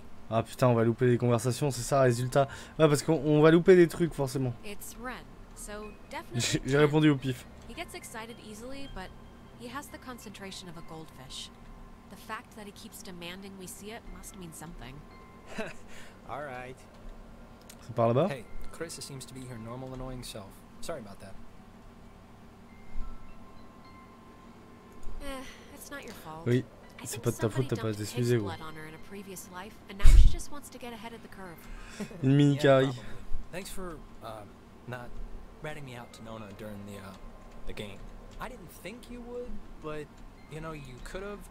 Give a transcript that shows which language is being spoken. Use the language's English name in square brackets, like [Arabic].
[French] Ah putain, on va louper des conversations, c'est ça, résultat. Ouais, parce qu'on va louper des trucs forcément. [English] It's Ren, so [French] j'ai répondu au pif. [English] He gets excited easily, but he has the concentration of a goldfish. The fact that he keeps demanding we see it must mean something. All right. [French] C'est par là-bas? [English] Hey, Chris seems to be her normal annoying self. Sorry about that. It's not your fault. [French] Oui, c'est pas de ta faute, t'as pas à t'excuser, ouais. [English] On her in a previous life, and now she just wants to get ahead of the curve. [French] Une mini carie. [English] Thanks for not ratting me out to Nona during the game. I didn't think you would, but you know you could have.